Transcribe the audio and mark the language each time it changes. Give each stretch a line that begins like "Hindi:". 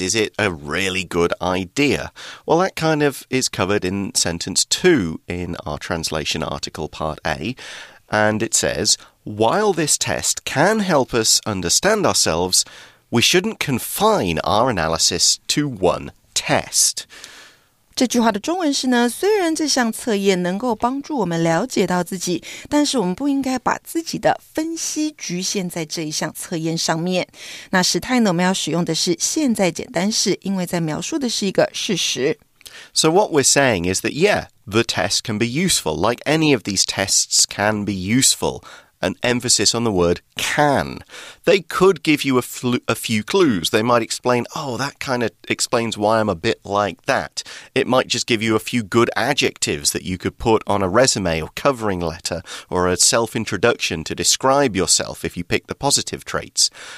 English: Is it a really good idea? Well, that kind of is covered in sentence 2 in our translation article part A And it saysWhile this test can help us understand ourselves, we shouldn't confine our analysis to one test.
Chinese: 这句话的中文是呢，虽然这项测验能够帮助我们了解到自己，但是我们不应该把自己的分析局限在这一项测验上面。那时态呢，我们要使用的是现在简单式，因为在描述的是一个事实。
English: So what we're saying is that, yeah, the test can be useful, like any of these tests can be useful. An emphasis on the word can. They could give you a few clues. They might explain, oh, that kind of explains why I'm a bit like that. It might just give you a few good adjectives that you could put on a resume or covering letter or a self-introduction to describe yourself if you pick the positive traits.